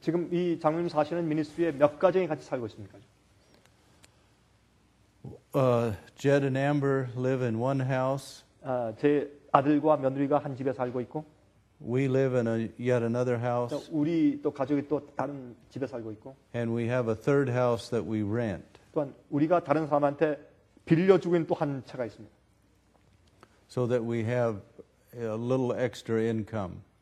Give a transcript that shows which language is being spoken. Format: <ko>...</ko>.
<ko>지금 이 장로님 사시는 미니스트리에 몇 가정이 같이 살고 있습니까?</ko> <en>Jed and Amber live in one house.</en> <ko>제 아들과 며느리가 한 집에 살고 있고.</ko> <en>We live in a yet another house.</en> <ko>우리 또 가족이 또 다른 집에 살고 있고.</ko> <en>And we have a third house that we rent.</en> <ko>또한 우리가 다른 사람한테 빌려주고 있는 또 한 차가 있습니다.</ko> <en>So that we have a little extra income.</en>